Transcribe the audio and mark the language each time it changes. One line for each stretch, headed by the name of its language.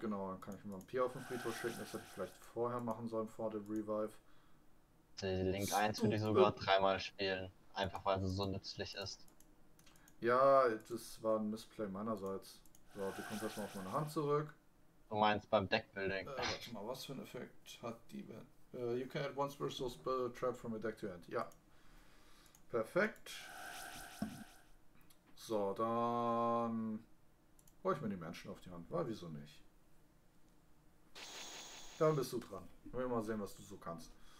German: Genau, dann kann ich mir ein Pier auf den Friedhof schicken. Das hätte ich vielleicht vorher machen sollen, vor dem Revive. Link 1 würde ich sogar dreimal spielen, einfach weil es so nützlich ist. Ja, das war ein Missplay meinerseits. So, die kommt erstmal auf meine Hand zurück. Du meinst beim Deckbuilding. Warte mal, was für ein Effekt hat die denn?
English: You can add one special spell trap from your deck to your hand.
German: Ja. Perfekt. So, dann hol ich mir die Menschen auf die Hand. Weil wieso nicht? Dann bist du dran. Wollen wir mal sehen, was du so kannst.